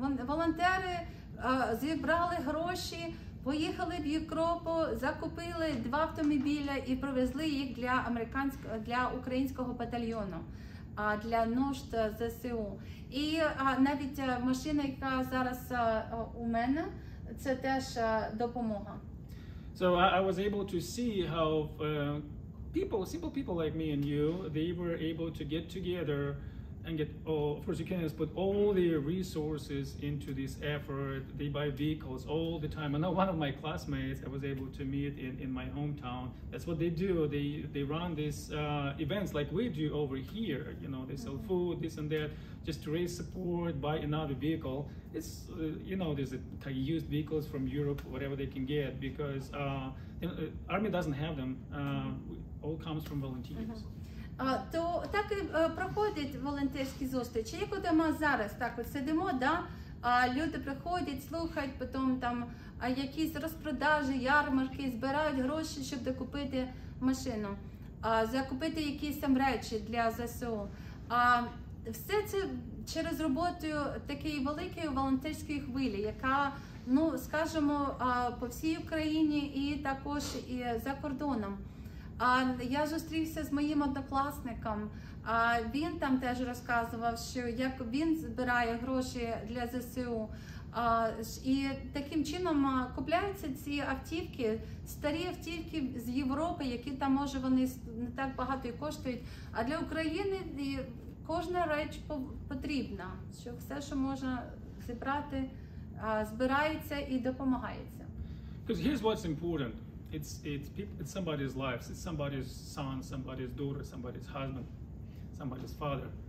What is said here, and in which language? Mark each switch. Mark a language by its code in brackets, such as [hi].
[uk] Волонтери зібрали гроші, поїхали в Європу, закупили два автомобіля і привезли їх для українського батальйону, для нужд ЗСУ. І навіть машина, яка зараз у мене, це теж допомога. [en] So I was able to see how people, simple people like me and you, they were able to get together and get all, of course, Ukrainians put all their resources into this effort. They buy vehicles all the time. I know one of my classmates I was able to meet in my hometown. That's what they do. They run these events like we do over here. You know, they sell food, this and that, just to raise support, buy another vehicle. It's, you know, there's kind of used vehicles from Europe, whatever they can get, because the army doesn't have them. All comes from volunteers. Mm-hmm. [uk] То так і проходять волонтерські зустрічі, як ми зараз так от сидимо, да? Люди приходять, слухають, потім там якісь розпродажі, ярмарки, збирають гроші, щоб докупити машину, закупити якісь там речі для ЗСУ. Все це через роботу такої великої волонтерської хвилі, яка, ну скажімо, по всій Україні і також і за кордоном. Я зустрівся з моїм однокласником, він там теж розказував, що як він збирає гроші для ЗСУ. І таким чином купляються ці автівки, старі автівки з Європи, які там, може, вони не так багато і коштують. А для України кожна річ потрібна, що все, що можна зібрати, збирається і допомагається. [en] Because here's what's important. It's somebody's life, it's somebody's son, somebody's daughter, somebody's husband, somebody's father.